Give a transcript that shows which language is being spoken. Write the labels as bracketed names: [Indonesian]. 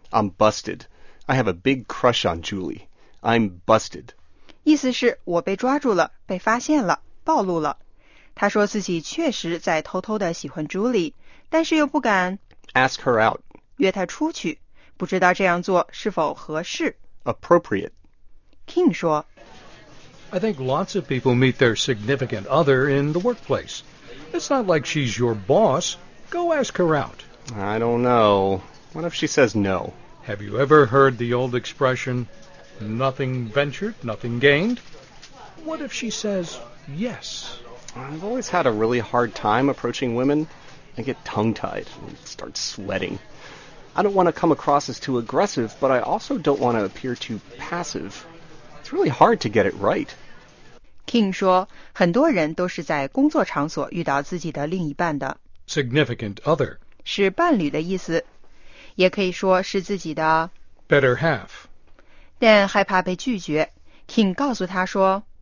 [English] I'm busted I have a big crush on Julie I'm busted [Chinese] 意思是我被抓住了被发现了暴露了他说自己确实在偷偷地喜欢 Julie 但是又不敢 [English] ask her out [Chinese] 约她出去不知道这样做是否合适 [English] appropriate [Chinese] King 说 [English] I think lots of people meet their significant other in the workplace It's not like she's your boss Go ask her out I don't know What if she says no? Have you ever heard the old expression Nothing ventured, nothing gained? What if she saysYes. I've always had a really hard time approaching women. I get tongue-tied and start sweating. I don't want to come across as too aggressive, but I also don't want to appear too passive. It's really hard to get it right. [Chinese] King 说，很多人都是在工作场所遇到自己的另一半的。 [English] Significant other. [Chinese] 是伴侣的意思。也可以说是自己的。 [English] Better half. [Chinese] 但害怕被拒绝。King 告诉他说。